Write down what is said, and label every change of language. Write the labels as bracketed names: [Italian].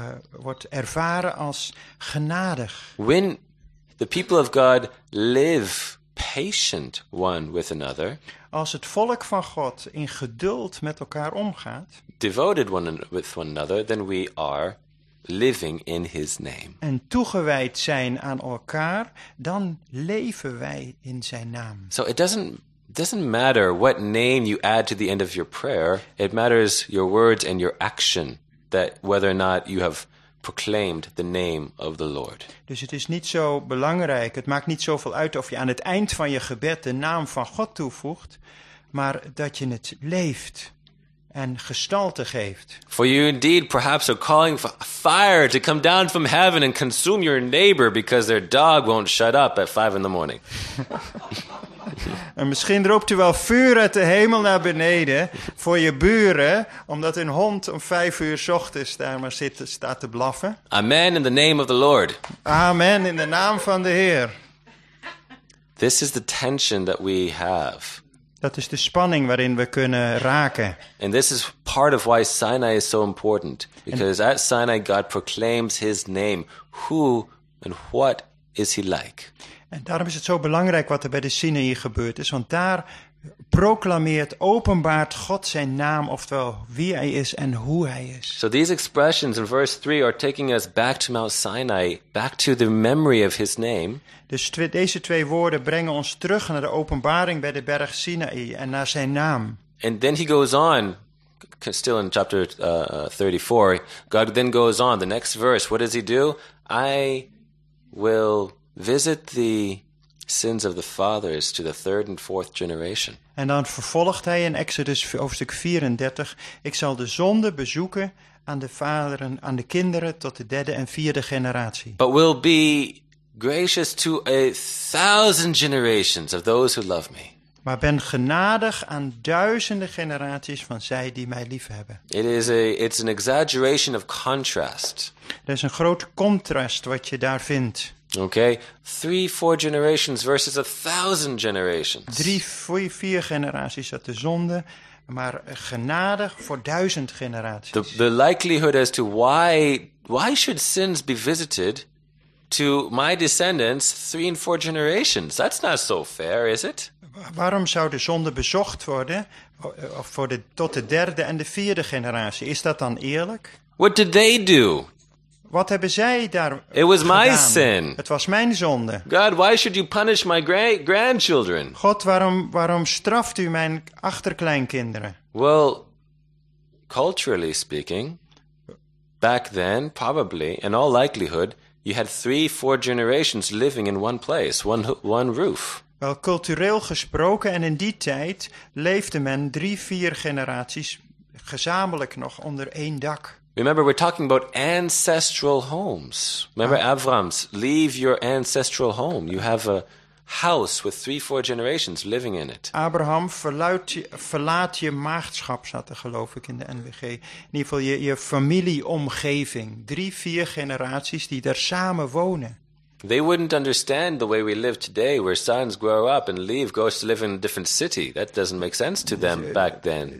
[Dutch] Wordt ervaren als genadig. [English] When the people of God live patient one with another. [Dutch] Als het volk van God in geduld met elkaar omgaat. [English] Devoted one with one another, then we are living in his name. [Dutch] En toegewijd zijn aan elkaar, dan leven wij in zijn naam. [English] So it doesn't matter what name you add to the end of your prayer. It matters your words and your action that whether or not you have proclaimed the name of the Lord. [Dutch] Dus het is niet zo belangrijk. Het maakt niet zoveel uit of je aan het eind van je gebed de naam van God toevoegt, maar dat je het leeft en gestalte geeft. [English] For you indeed perhaps are calling for fire to come down from heaven and consume your neighbor because their dog won't shut up at 5 a.m. [Dutch] En misschien roept u wel vuur uit de hemel naar beneden voor je buren, omdat een hond om 5 a.m. daar maar zit, staat te blaffen. [English] Amen in the name of the Lord. [Dutch] Amen in de naam van de Heer. [English] This is the tension that we have. [Dutch] Dat is de spanning waarin we kunnen raken. [English] And this is part of why Sinai is so important. Because at Sinai God proclaims his name. Who and what is he like? [Dutch] En daarom is het zo belangrijk wat er bij de Sinai gebeurd is. Want daar proclameert, openbaart God zijn naam. Oftewel wie hij is en hoe hij is. [English] So these expressions in verse 3 are taking us back to Mount Sinai. Back to the memory of his name. [Dutch] Dus deze twee woorden brengen ons terug naar de openbaring bij de berg Sinai en naar zijn naam. [English] And then he goes on, still in chapter 34. God then goes on, the next verse, what does he do? I will visit the sins of the fathers to the third and fourth generation. [Dutch] En dan vervolgt hij in Exodus hoofdstuk 34. Ik zal de zonde bezoeken aan de vaderen, aan de kinderen tot de derde en vierde generatie. [English] But will be gracious to 1,000 generations of those who love me. [Dutch] maar ben genadig aan duizenden generaties van zij die mij liefhebben. [English] It's an exaggeration of contrast. [Dutch] Er is een groot contrast wat je daar vindt. [English] Okay, 3-4 generations versus 1,000 generations. [Dutch] 3-4 generaties uit de zonde, maar genadig voor 1,000 generaties. [English] The likelihood as to why should sins be visited to my descendants 3-4 generations? That's not so fair, is it? [Dutch] Waarom zou de zonde bezocht worden tot de derde en de vierde generatie? Is dat dan eerlijk? [English] What did they do? [Dutch] Wat hebben zij daar gedaan? [English] It was my sin. [Dutch] Het was mijn zonde. [English] God, why should you punish my grandchildren? [Dutch] God, waarom straft u mijn achterkleinkinderen? [English] Well, culturally speaking, back then, probably, in all likelihood, you had 3-4 generations living in one place, one roof. [Dutch] Wel, cultureel gesproken en in die tijd leefde men 3-4 generaties gezamenlijk nog onder één dak. [English] Remember, we're talking about ancestral homes. Remember, Avram's, leave your ancestral home. You have a house with 3-4 generations living in it. [Dutch] Abraham, verlaat je maagdschap, zat er geloof ik in de NWG. In ieder geval je familieomgeving. 3-4 generaties die daar samen wonen. [English] They wouldn't understand the way we live today, where sons grow up and leave, goes to live in a different city. That doesn't make sense to them back then.